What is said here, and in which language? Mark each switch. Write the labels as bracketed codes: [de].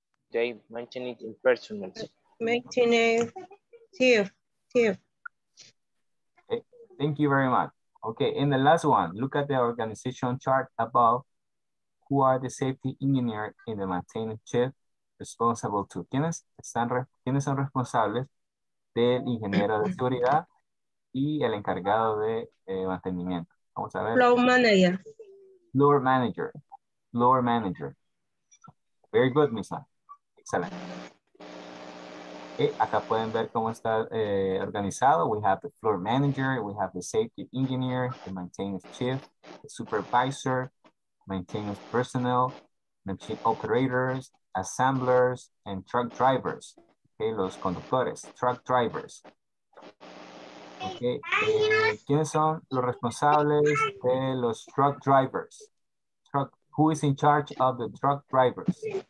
[en] They maintain it in personnel. Maintenance. Chief. Thank you very much. Okay, in the last one, look at the organization chart above. Who are the safety engineer in the maintenance chief responsible to? [es] ¿Quiénes son responsables del ingeniero de seguridad y el encargado de mantenimiento? Vamos a ver. [en] Floor manager. Very good, Misa. Excellent. Okay, [es] acá pueden ver cómo está organizado. [en] We have the floor manager, we have the safety engineer, the maintenance chief, the supervisor, maintenance personnel, machine operators, assemblers, and truck drivers. [es] Okay, los conductores, truck drivers. Okay, ¿quiénes son los responsables de los truck drivers? [en] Who is in charge of the truck drivers?